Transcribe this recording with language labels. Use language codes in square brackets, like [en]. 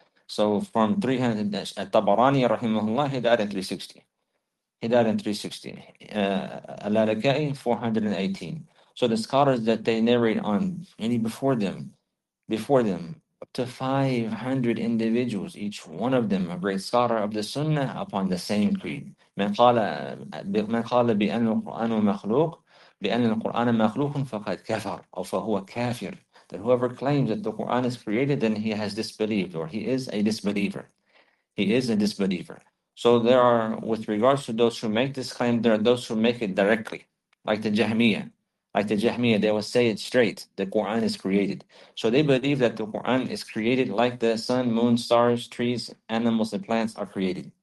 [en] So from 300, Tabarani, rahimahullah, he died in 360. He died in 360. Al-Alaka'i, 418. So the scholars that they narrate on, any before them, up to 500 individuals, each one of them a great scholar of the Sunnah upon the same creed. [ar] من قال بأن القرآن مخلوق بأن القرآن مخلوق فقد كفر أو فهو كافر. [en] That whoever claims that the Quran is created, then he has disbelieved, or he is a disbeliever. He is a disbeliever. So there are, with regards to those who make this claim, there are those who make it directly, like the Jahmiyyah. Like the Jahmiyyah, they will say it straight, the Quran is created. So they believe that the Quran is created like the sun, moon, stars, trees, animals, and plants are created.